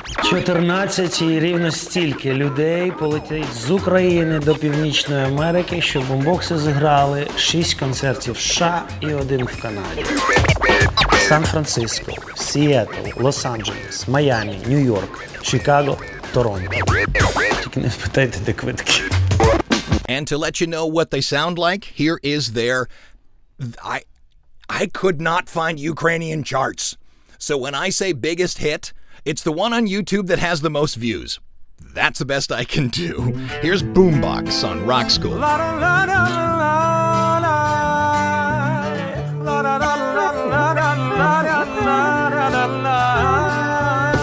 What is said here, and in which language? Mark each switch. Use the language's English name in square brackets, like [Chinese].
[Ukrainian] Чотирнадцятій рівно стільки людей полетять з України до Північної Америки, щоб бумбокси зіграли 6 концертів в США і один в Канаді. Сан-Франциско, Сіетл, Лос-Анджелес, Майамі, Нью-Йорк, Чикаго, Торонто. Тільки не спитайте, де квитки. [English] And to let you know what they sound like, here is their... I could not find Ukrainian charts. So when I say biggest hit... It's the one on YouTube that has the most views. That's the best I can do. Here's Boombox on Rock School. La la la la la la la la la la la la la la.